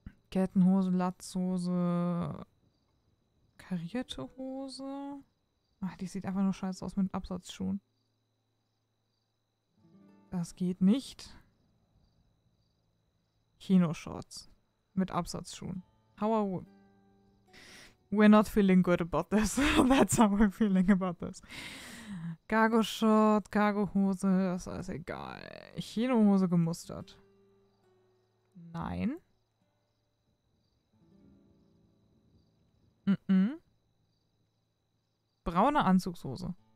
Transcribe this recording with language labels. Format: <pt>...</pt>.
<de>Kettenhose, Latzhose, karierte Hose. Ach, die sieht einfach nur scheiße aus mit Absatzschuhen. Das geht nicht. Kinoshorts mit Absatzschuhen.</de> <en>We're not feeling good about this. That's how we're feeling about this.</en> <de>Cargo-Short, Cargo-Hose, das ist alles egal. Kinohose gemustert. Nein. Braune Anzugshose.</de>